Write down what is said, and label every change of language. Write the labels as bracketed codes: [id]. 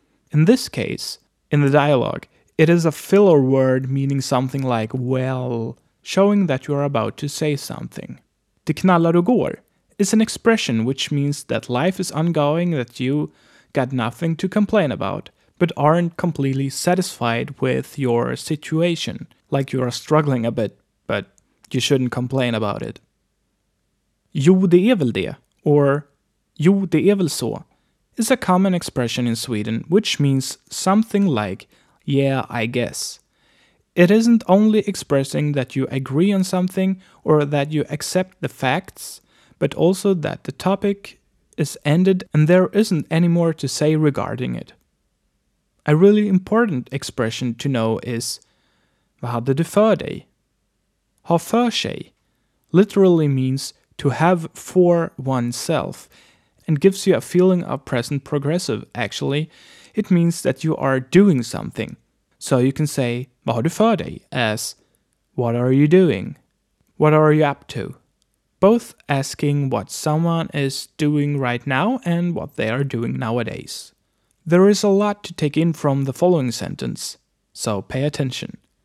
[en] In this case, in the dialogue, it is a filler word meaning something like, well, showing that you are about to say something. [sv] Det knallar och går. [en] It's an expression which means that life is ongoing, that you got nothing to complain about, but aren't completely satisfied with your situation, like you are struggling a bit, but you shouldn't complain about it. [sv] Jo, det är väl det, [en] or [sv] jo, det är väl så, [en] is a common expression in Sweden, which means something like, yeah, I guess. It isn't only expressing that you agree on something or that you accept the facts, but also that the topic is ended and there isn't any more to say regarding it. A really important expression to know is [sv] Vad hade du för dig? ha för sig [en] literally means to have for oneself and gives you a feeling of present progressive, actually. It means that you are doing something. So you can say, [sv] vad har du för dig? [en] As, what are you doing? What are you up to? Both asking what someone is doing right now and what they are doing nowadays. There is a lot to take in from the following sentence, so pay attention.